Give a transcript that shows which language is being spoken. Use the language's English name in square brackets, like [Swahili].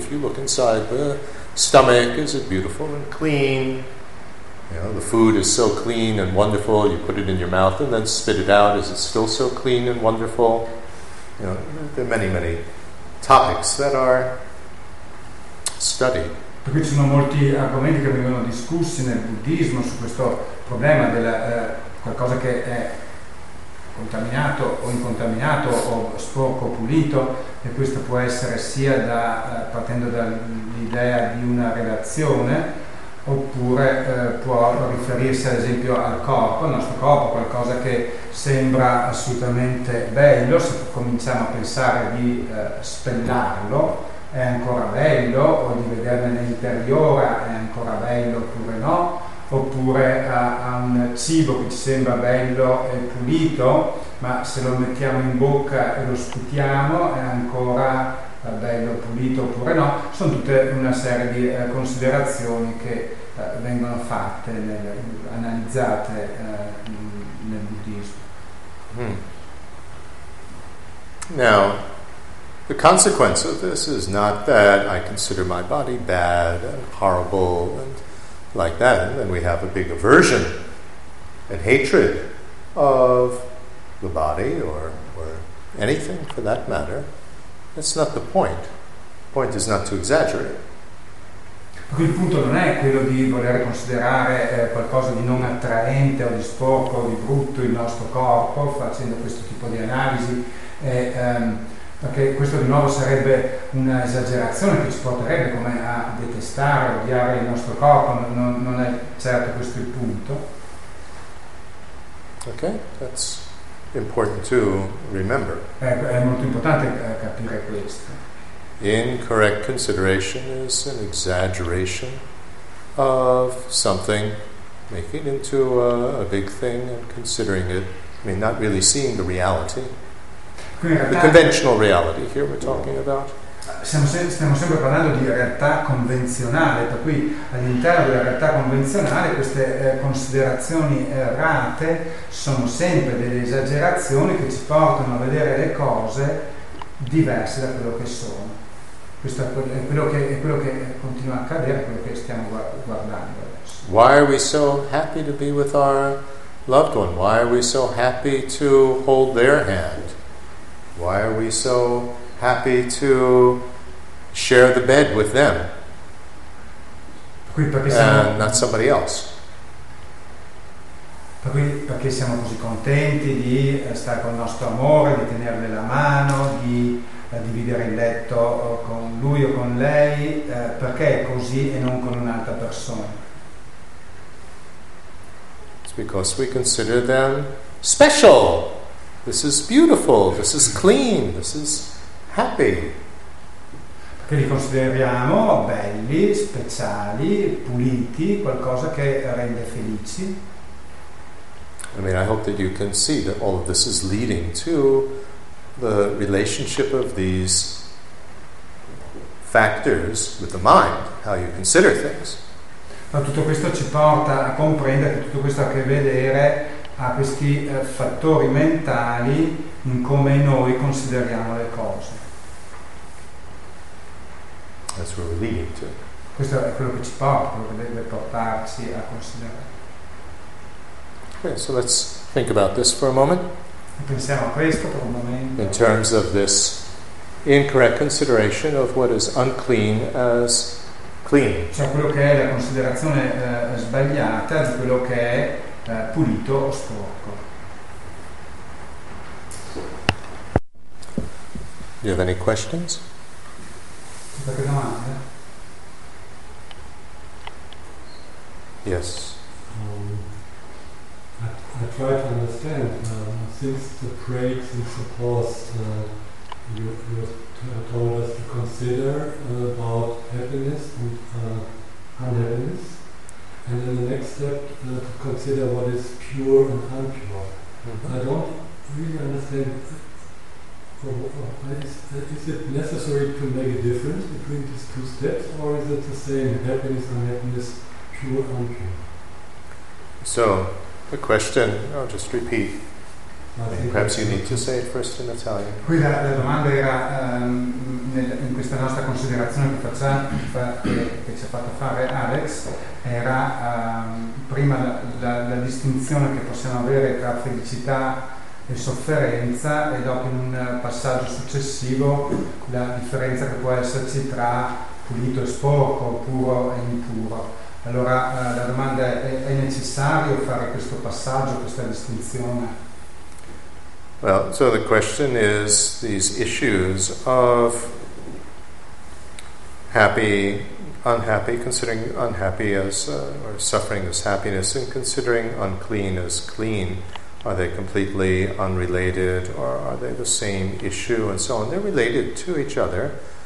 [English] If you look inside the stomach, is it beautiful and clean? You know, the food is so clean and wonderful, you put it in your mouth and then spit it out, is it still so clean and wonderful? You know, there are many, many topics that are studied. [Italian] Perché ci sono molti argomenti che vengono discussi nel buddismo su questo problema della qualcosa che è contaminato o incontaminato o sporco o pulito, e questo può essere sia da partendo dall'idea di una relazione, oppure può riferirsi ad esempio al corpo, al nostro corpo, qualcosa che sembra assolutamente bello, se cominciamo a pensare di spellarlo è ancora bello, o di vederne l'interiore è ancora bello oppure no, oppure a un cibo che ci sembra bello e pulito, ma se lo mettiamo in bocca e lo sputiamo è ancora bello pulito oppure no. Sono tutte una serie di considerazioni che vengono fatte, analizzate nel buddismo. [English] Now, the consequence of this is not that I consider my body bad and horrible and like that, and then we have a big aversion and hatred of the body or anything for that matter. That's not the point. The point is not to exaggerate. [Italian] Il punto non è quello di voler considerare qualcosa di non attraente o di sporco o di brutto il nostro corpo facendo questo tipo di analisi, perché questo di nuovo sarebbe un'esagerazione che ci porterebbe come a detestare, odiare il nostro corpo, non è certo questo il punto. [English] Ok, that's important to remember. [Italian] È molto importante capire questo. [English] Incorrect consideration is an exaggeration of something, making it into a big thing and considering it, I mean, not really seeing the reality. The conventional reality here we're talking about. [Italian] Stiamo sempre parlando di realtà convenzionale, per cui all'interno della realtà convenzionale queste considerazioni errate sono sempre delle esagerazioni che ci portano a vedere le cose diverse da quello che sono. Questo è quello che continua a accadere, quello che stiamo guardando adesso. [English] Why are we so happy to be with our loved one? Why are we so happy to hold their hand? Why are we so happy to share the bed with them and not somebody else? [Italian] Perché siamo così contenti di stare con il nostro amore, di tenerle la mano, di dividere il letto con lui o con lei, perché è così e non con un'altra persona? [English] It's because we consider them special. This is beautiful, this is clean, this is happy. [Italian] Che li consideriamo belli, speciali, puliti, qualcosa che rende felici. [English] I mean, I hope that you can see that all of this is leading to the relationship of these factors with the mind, how you consider things. [Italian] Ma tutto questo ci porta a comprendere che tutto questo ha a che vedere a questi fattori mentali in come noi consideriamo le cose. [English] That's where we're leading to. [Italian] Questo è quello che ci porta, quello che deve portarci a considerare. [English] Okay, so let's think about this for a moment. [Italian] Pensiamo a questo per un momento. [English] In terms of this incorrect consideration of what is unclean as clean. [Italian] Cioè quello che è la considerazione sbagliata di quello che è pulito o sporco. [English] Do you have any questions? [Italian] Qualche domanda? [English] Yes. I try to understand, since the praise is supposed, you told us to consider about happiness and unhappiness, and then the next step to consider what is pure and unpure. Mm-hmm. I don't really understand, is it necessary to make a difference between these two steps, or is it the same, happiness, unhappiness, pure, unpure? So, the question, I'll just repeat. Perhaps you need to say it first in Italian. [Italian] Qui la domanda era in questa nostra considerazione che che ci ha fatto fare Alex, era prima la distinzione che possiamo avere tra felicità e sofferenza, e dopo in un passaggio successivo la differenza che può esserci tra pulito e sporco, puro e impuro. Allora la domanda è necessario fare questo passaggio, questa distinzione? [English] Well, so the question is these issues of happy, unhappy, considering unhappy as or suffering as happiness, and considering unclean as clean, are they completely unrelated or are they the same issue and so on? They're related to each other.